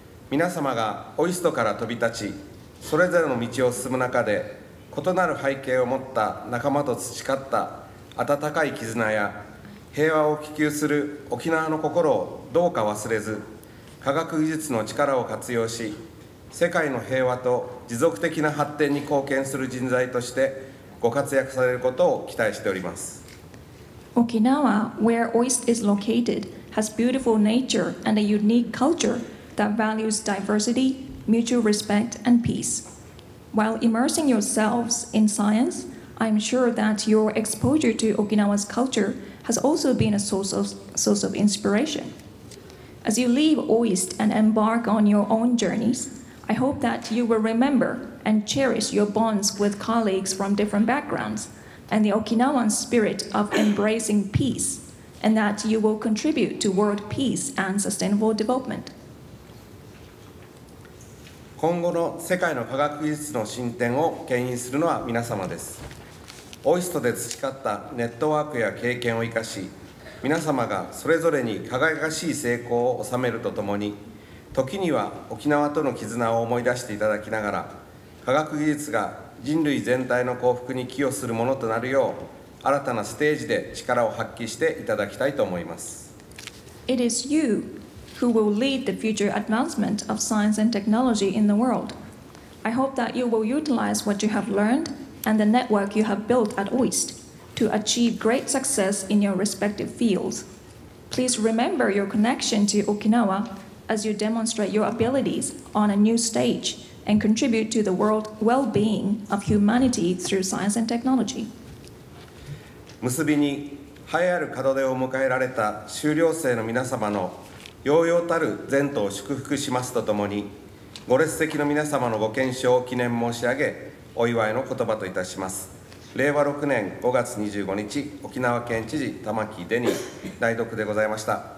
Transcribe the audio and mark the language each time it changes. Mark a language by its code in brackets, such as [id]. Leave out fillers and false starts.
[ja] 皆様がOIST から飛び立ち、それぞれの道を進む中で、異なる背景を持った仲間と培った温かい絆や、平和を希求する沖縄の心をどうか忘れず、科学技術の力を活用し、世界の平和と持続的な発展に貢献する人材としてご活躍されることを期待しております。 [en] Okinawa, where OIST is located, has beautiful nature and a unique culture that values diversity, mutual respect, and peace. While immersing yourselves in science, I'm sure that your exposure to Okinawa's culture has also been a source of inspiration. As you leave OIST and embark on your own journeys,I hope that you will remember and cherish your bonds with colleagues from different backgrounds and the Okinawan spirit of embracing peace, and that you will contribute to world peace and sustainable development. [ja] 今後の世界の科学技術の進展を牽引するのは皆様です。 OIST で培ったネットワークや経験を生かし、皆様がそれぞれに輝かしい成功を収めるとともに、時には沖縄との絆を思い出していただきながら、科学技術が人類全体の幸福に寄与するものとなるよう、新たなステージで力を発揮していただきたいと思います。 [en] It is you who will lead the future advancement of science and technology in the world. I hope that you will utilize what you have learned and the network you have built at OIST to achieve great success in your respective fields. Please remember your connection to Okinawa. As you demonstrate your abilities on a new stage and contribute to the world well-being of humanity through science and technology. [ja] 結びに、栄えある門出を迎えられた修了生の皆様の揚々たる前途を祝福しますとともに、ご列席の皆様のご健勝を記念申し上げ、お祝いの言葉といたします。令和6年5月25日沖縄県知事玉城デニー代読でございました。